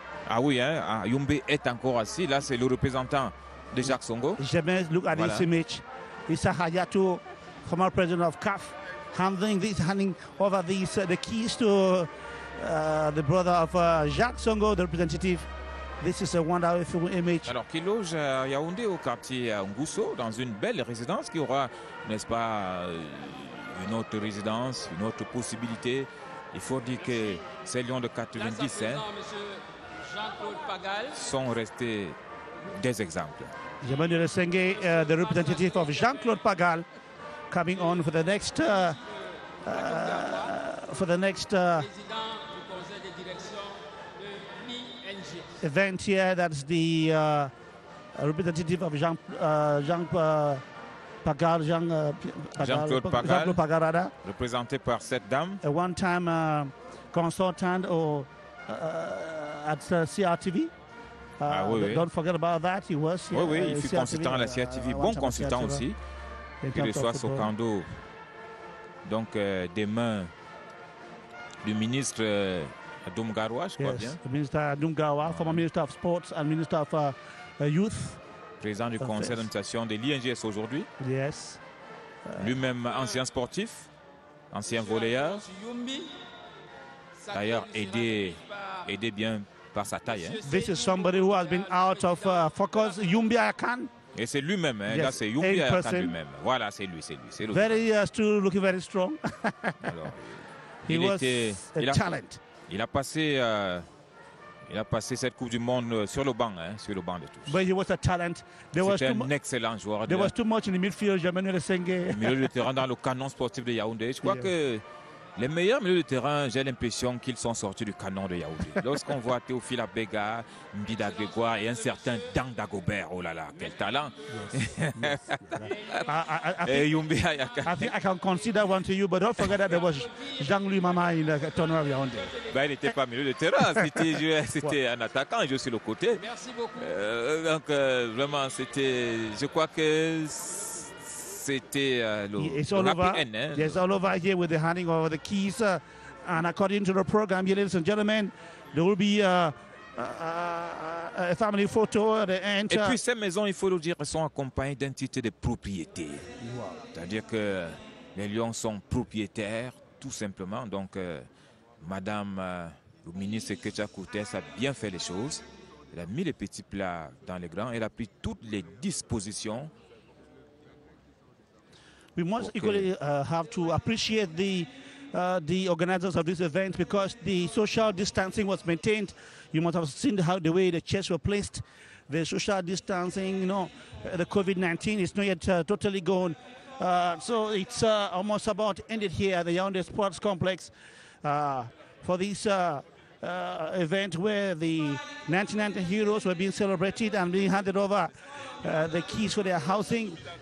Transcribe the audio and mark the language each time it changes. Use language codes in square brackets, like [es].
[fr] Ah oui, hein, Yumbe est encore assis. Là, c'est le représentant de Jacques Songo. [en] James, look at this image. Issa Hayatou, former president of CAF, handing over these the keys to the brother of Jacques Songo, the representative. This is a wonderful image. [fr] Alors, qui loge à Yaoundé au quartier Ngousso, dans une belle résidence qui aura, n'est-ce pas, une autre résidence, une autre possibilité. Il faut dire que ces Lions de 90 sont restés des exemples. [en] Emmanuel Senge, the representative of Jean-Claude Pagal, coming on for the next event here. That's the representative of Jean-Claude Pagal, represented by [fr] cette dame. [en] A one-time consultant at CRTV. Don't forget about that. He was. [fr] Il fut consultant à la CRTV. Bon consultant aussi. Qui reçoit Sokando, donc des mains du ministre Adum Garoua, je crois bien. [en] The minister Adum Garoua, former minister of sports and minister of youth. [fr] Président du conseil d'administration de l'INGS aujourd'hui. [en] Yes. [fr] Lui-même ancien sportif, ancien volleyeur. D'ailleurs, aidé bien par sa taille. Hein. [en] This is somebody who has been out of focus, Yumbi Akan. [fr] Et c'est lui-même, hein, là c'est Yumbi Akan lui-même. Voilà, c'est lui. C'est [en] very still looking very strong. [fr] Alors, [en] he was a talent. [fr] Il a passé cette Coupe du Monde sur le banc de tous. [en] But he was a talent. [fr] C'était un excellent joueur. [en] There was too much in the midfield, Emmanuel Senge. [fr] Milieu de terrain dans le canon sportif de Yaoundé. Je crois que les meilleurs milieux de terrain, j'ai l'impression qu'ils sont sortis du canon de Yaoundé. Lorsqu'on voit Théophile Abega, Mbida Grégoire et un certain Dang Dagobert. Oh là là, quel talent. Et Yumbi Ayaka. [en] I think I can consider one to you, but don't forget that there was Jean-Louis Mama in the tournoi de Yaoundé. [fr] Ben, il n'était pas milieu de terrain, c'était un attaquant, je suis le côté. Merci beaucoup. Je crois que... [en] It's all over here with the handing over the keys. And according to the program here, ladies and gentlemen, there will be a family photo at the end. [fr] Et puis ces maisons, il faut le dire, sont accompagnées d'un titre de propriété. Wow. C'est-à-dire que les lions sont propriétaires, tout simplement. Donc, madame le ministre Kecha Koutès a bien fait les choses. Elle a mis les petits plats dans les grands. Elle a pris toutes les dispositions. [en] We must equally have to appreciate the organizers of this event because the social distancing was maintained. You must have seen how the way the chairs were placed, the social distancing. You know, the COVID-19 is not yet totally gone, so it's almost about ended here at the Yaoundé Sports Complex for this event where the 1990 heroes were being celebrated and being handed over the keys for their housing.